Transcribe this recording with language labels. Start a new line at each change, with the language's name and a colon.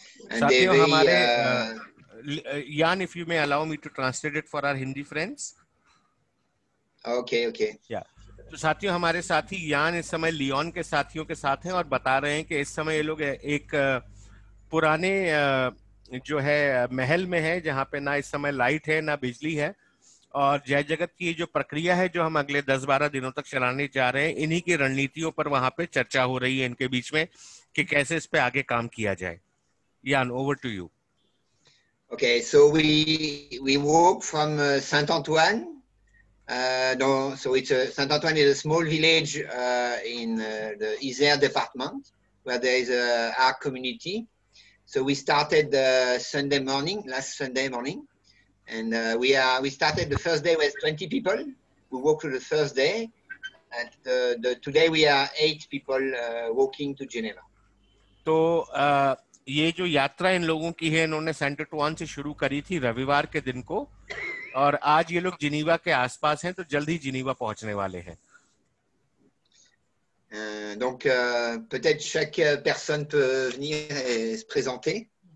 English: And they very, Jan, if you may allow me to translate it for our Hindi friends. Okay, okay. Yeah.
Hindi: तो साथियों हमारे साथी यान इस समय लियोन के साथियों के साथ हैं और बता रहे हैं कि इस समय ये लोग एक पुराने जो है महल में हैं जहां पे ना इस समय लाइट है ना बिजली है और जय जगत की जो प्रक्रिया है जो हम अगले 10-12 दिनों तक चलाने जा रहे हैं इन्हीं की रणनीतियों पर वहां पे चर्चा हो रही है इनके बीच में कि कैसे इस पे आगे काम किया जाए.
English: यान, over to you. Okay, so we walk from Saint Antoine. No, so it's a, Saint-Antoine is a small village in the Isère department where there is a art community. So we started Sunday morning, last Sunday morning, and we started the first day with 20 people. We walked the first day, and today we are 8 people walking to Geneva.
Hindi: So, ये जो यात्रा इन लोगों की है, इन्होंने Saint-Antoine से शुरू करी थी रविवार के दिन को. और आज ये लोग जिनीवा के आसपास हैं तो जल्द ही जिनीवा पहुंचने वाले हैं.
French: Donc peut-être chaque personne peut venir se présenter.